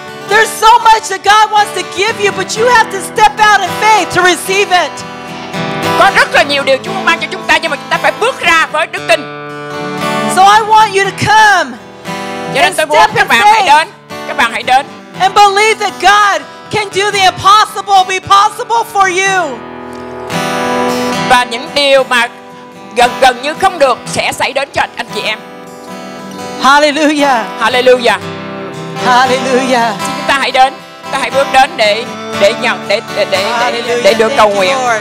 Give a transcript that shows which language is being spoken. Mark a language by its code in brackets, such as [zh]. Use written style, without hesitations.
[en] There's so much that God wants to give you, but you have to step out in faith to receive it. [vi] Có rất là nhiều điều Chúa muốn ban cho chúng ta, nhưng mà chúng ta phải bước ra với đức tin. [en] So I want you to come. [vi] Cho nên tôi muốn các bạn hãy đến. Các bạn hãy đến. [en] And believe that God can do the impossible be possible for you. [vi] Và những điều mà gần như không được sẽ xảy đến cho anh chị em. Hallelujah. Hallelujah. Hallelujah. Xin chúng ta hãy đến. Ta hãy bước đến để nhận để được cầu nguyện.